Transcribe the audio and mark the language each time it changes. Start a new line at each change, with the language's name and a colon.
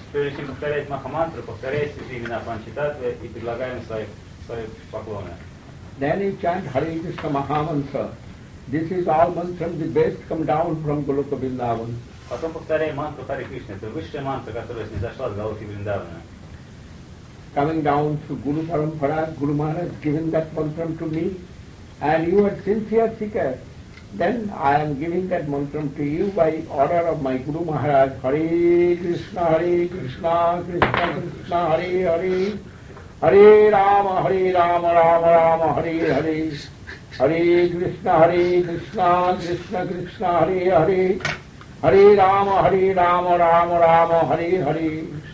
Russian: Прежде чем повторять Махамантру, повторяйте имена Панчитатвы и предлагаем свои поклоны.
English: Then you chant Hare Krishna Mahamantra. This is all mantra, the best come down from Goloka Vrindavan.
Russian: Потом повторяй мантру Харе Кришна. Это высшая мантра, которая снизошла с Голоки Вриндавана.
English: Coming down to Guru Parampara, Guru Maharaj given that mantra to me, and you are sincere seeker, then I am giving that mantra to you by order of my Guru Maharaj.
Sanskrit: Hare Krishna, Hare Krishna, Krishna Krishna, Hare Hare, Hare Rama, Hare Rama, Rama Rama, Hare Hare, Hare Krishna, Hare Krishna, Krishna Krishna, Hare Hare, Hare Rama, Hare Rama, Rama Rama, Hare Hare.